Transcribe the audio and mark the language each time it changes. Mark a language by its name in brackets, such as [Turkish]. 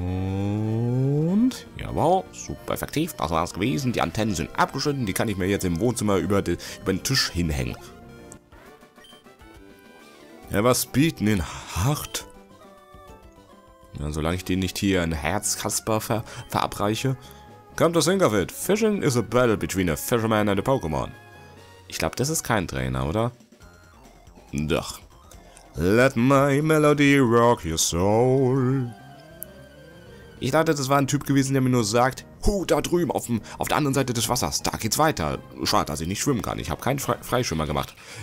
[German] Und, jawohl, super effektiv, das war's gewesen. Die Antennen sind abgeschnitten, die kann ich mir jetzt im Wohnzimmer über den Tisch hinhängen. Ja, was bieten den hart? Ja, solange ich den nicht hier in Herzkasper verabreiche. [English] Come to think of it, fishing is a battle between a fisherman and a Pokémon. [German] Ich glaube, das ist kein Trainer, oder? Doch. [English] Let my melody rock your soul. [German] Ich dachte, das war ein Typ gewesen, der mir nur sagt, hu, da drüben, auf der anderen Seite des Wassers, da geht's weiter. Schade, dass ich nicht schwimmen kann. Ich habe keinen Freischwimmer gemacht.